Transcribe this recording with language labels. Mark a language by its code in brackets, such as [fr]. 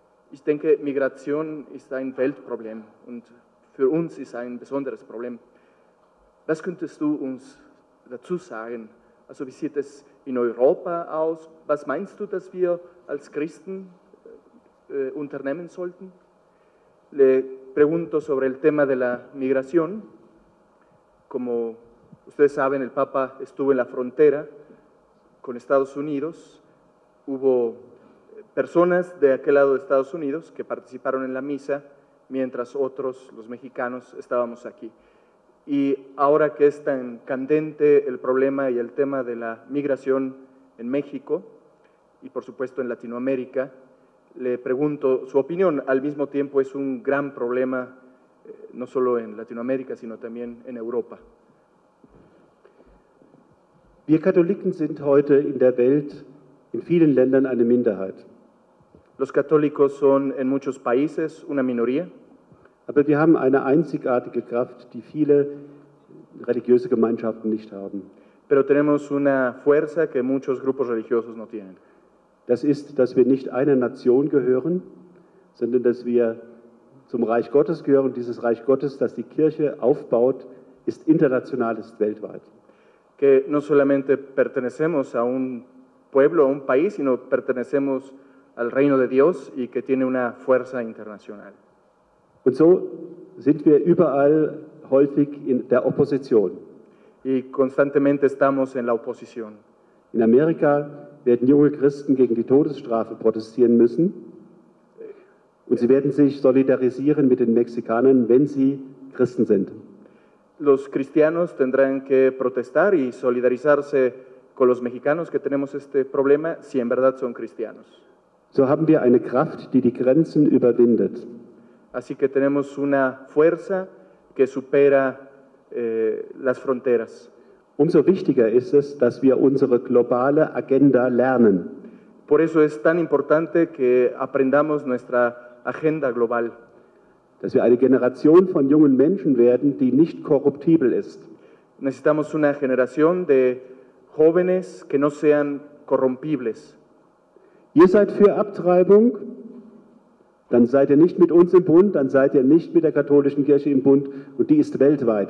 [de] Ich denke, Migration ist ein Weltproblem und für uns ist ein besonderes Problem. Was könntest du uns dazu sagen? Also wie sieht es in Europa aus? Was meinst du, dass wir als Christen unternehmen sollten? [es] Pregunto sobre el tema de la migración. Como ustedes saben, el Papa estuvo en la frontera con Estados Unidos. Hubo personas de aquel lado de Estados Unidos que participaron en la misa, mientras otros, los mexicanos, estábamos aquí. Y ahora que es tan candente el problema y el tema de la migración en México y, por supuesto, en Latinoamérica, le pregunto su opinión. Al mismo tiempo es un gran problema, no solo en Latinoamérica, sino también en Europa. [de] Wir Katholiken sind heute in der Welt in vielen Ländern eine Minderheit. [es] Los católicos son en muchos países una minoría. [de] Aber wir haben eine einzigartige Kraft, die viele religiöse Gemeinschaften nicht haben. [es] Pero tenemos una fuerza que muchos grupos religiosos no tienen. [de] Das ist, dass wir nicht einer Nation gehören, sondern dass wir zum Reich Gottes gehören. Dieses Reich Gottes, das die Kirche aufbaut, ist international, ist weltweit. [es] Que no solamente pertenecemos a un pueblo, a un país, sino pertenecemos al reino de Dios y que tiene una fuerza internacional. [de] Und so sind wir überall häufig in der Opposition. [es] Y constantemente estamos en la oposición. [de] In Amerika werden junge Christen gegen die Todesstrafe protestieren müssen. Und sie werden sich solidarisieren mit den Mexikanern, wenn sie Christen sind. [es] Los cristianos tendrán que protestar y solidarizarse con los mexicanos que tenemos este problema, si en verdad son cristianos. [de] So haben wir eine Kraft, die die Grenzen überwindet. [es] Así que tenemos una fuerza que supera las fronteras. [de] Umso wichtiger ist es, dass wir unsere globale Agenda lernen. [es] Por eso es tan importante que aprendamos nuestra agenda global. [de] Dass wir eine Generation von jungen Menschen werden, die nicht korruptibel ist. [es] Necesitamos una generación de jóvenes que no sean corrompibles. [de] Ihr seid für Abtreibung? Dann seid ihr nicht mit uns im Bund, dann seid ihr nicht mit der katholischen Kirche im Bund und die ist weltweit.